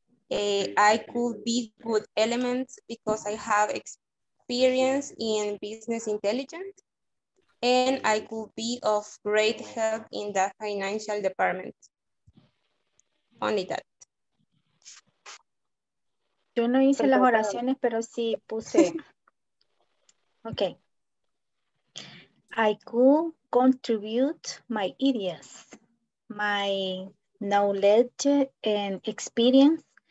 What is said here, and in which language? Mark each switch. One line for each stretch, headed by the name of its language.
English: I could be good elements because I have experience in business intelligence, and I could be of great help in the financial department. Only that.
Spanish: Yo no hice las oraciones, pero sí puse. Okay.
English: I could contribute my ideas, my knowledge and experience.